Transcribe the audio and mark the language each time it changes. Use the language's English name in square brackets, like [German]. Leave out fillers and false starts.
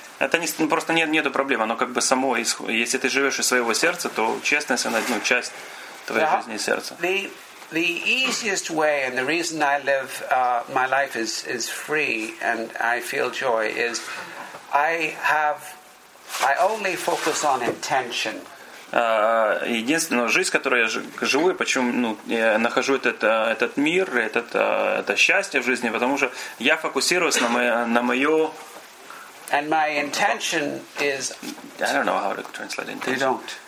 [Russian] Это не просто нету проблем, оно как бы само, если ты живешь из своего сердца, то честность она ну, часть твоей жизни и сердца. [English] The easiest way and the reason I live my life is free and I feel joy is I only focus on intention. [Russian] Единственная жизнь, которую я живу, и почему ну, я нахожу этот мир, это счастье в жизни, потому что я фокусируюсь на моё. [English] And my intention is. I don't know how to translate intention. You don't.